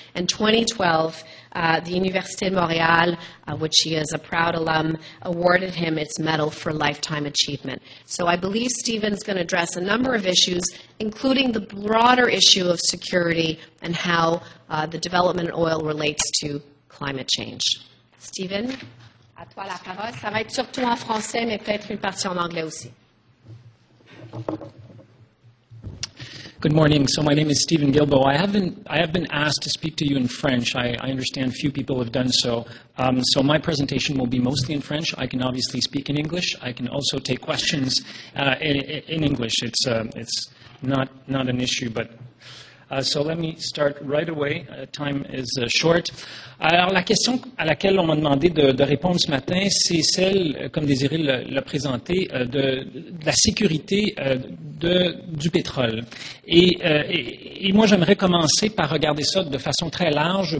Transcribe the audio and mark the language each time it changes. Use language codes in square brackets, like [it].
[en] In 2012, the Université de Montréal, which he is a proud alum, awarded him its medal for lifetime achievement. So I believe Stephen's going to address a number of issues, including the broader issue of security and how the development of oil relates to climate change. [fr] Stephen, à toi la parole. Ça va être surtout en français, mais peut-être une partie en anglais aussi. [en] Good morning. So my name is Stephen Guilbeault. I have been asked to speak to you in French. I understand few people have done so. So my presentation will be mostly in French. I can obviously speak in English. I can also take questions in English. It's not an issue, but so let me start right away. Time is short. [fr] Alors, la question à laquelle on m'a demandé de répondre ce matin, c'est celle, comme Désiré l'a présenté, de la sécurité du pétrole. Et moi, j'aimerais commencer par regarder ça de façon très large.